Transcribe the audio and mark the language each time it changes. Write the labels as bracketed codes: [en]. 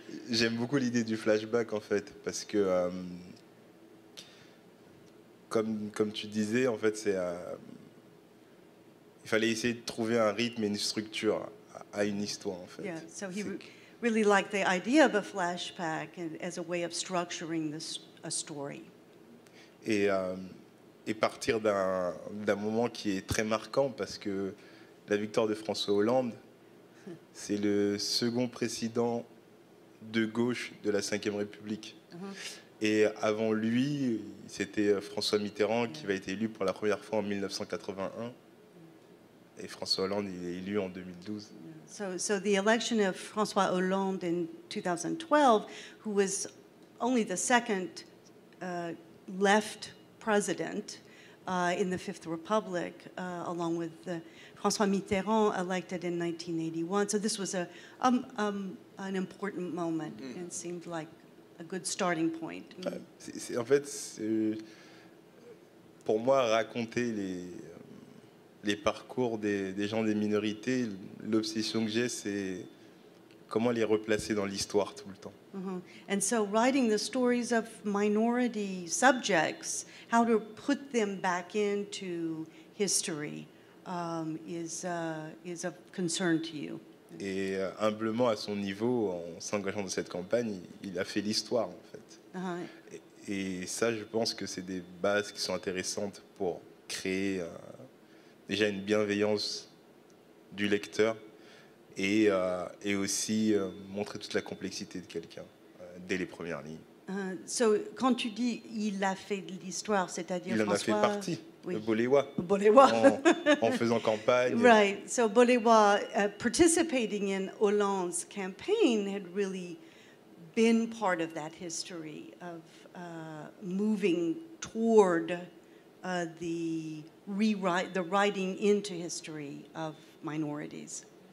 [fr] J'aime beaucoup l'idée du flashback, en fait, parce que, comme tu disais, en fait, il fallait essayer de trouver un rythme et une structure à une histoire, en fait. [en] Yeah, so he really liked the idea of a flashback as a way of structuring a story. [fr] Et partir d'un moment qui est très marquant, parce que la victoire de François Hollande, c'est le second président de gauche de la Ve République. Uh-huh. Et avant lui, c'était François Mitterrand qui va être élu pour la première fois en 1981. Et François Hollande, il est élu en 2012. [en] So the election of François Hollande in 2012, who was only the second left president in the Fifth Republic, along with François Mitterrand, elected in 1981. So this was an important moment, and it seemed like a good starting point. [fr] En fait, pour moi, raconter les parcours des gens des minorités, l'obsession que j'ai, c'est comment les replacer dans l'histoire tout le temps. [en] And so writing the stories of minority subjects, how to put them back into history is of concern to you. [fr] Et humblement, à son niveau, en s'engageant dans cette campagne, il a fait l'histoire, en fait. Et ça, je pense que c'est des bases qui sont intéressantes pour créer déjà une bienveillance du lecteur et aussi montrer toute la complexité de quelqu'un dès les premières lignes. So, quand tu dis il a fait de l'histoire, c'est-à-dire il François... en a fait partie, oui. Le Bolewa. Bolewa. En faisant campagne. [en] Right. So Bolewa participating in Hollande's campaign had really been part of that history of moving toward the rewrite, the writing into history of minorities.